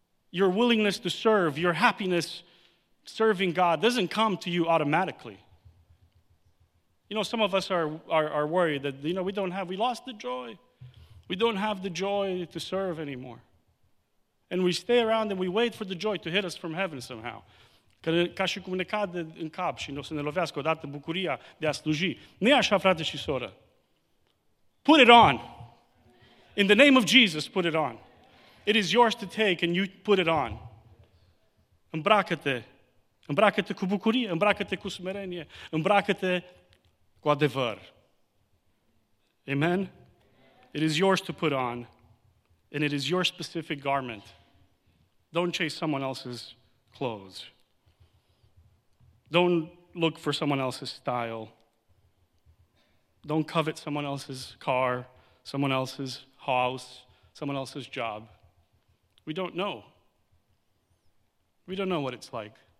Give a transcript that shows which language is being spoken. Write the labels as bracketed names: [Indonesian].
[English] Your willingness to serve, your happiness serving God, doesn't come to you automatically. You know, some of us are worried that, you know, we lost the joy. We don't have the joy to serve anymore. And we stay around and we wait for the joy to hit us from heaven somehow. [Romanian] Că ca și cum ne cade în cap și o să ne lovească odată bucuria de a sluji. Nu e așa, frate și soră. [English] Put it on. In the name of Jesus, put it on. It is yours to take and you put it on. [Romanian] Îmbracă-te. Îmbracă-te cu bucurie, îmbracă-te cu smerenie, îmbracă-te cu adevăr. Amen? [English] It is yours to put on and it is your specific garment. Don't chase someone else's clothes. Don't look for someone else's style. Don't covet someone else's car, someone else's house, someone else's job. We don't know. We don't know what it's like.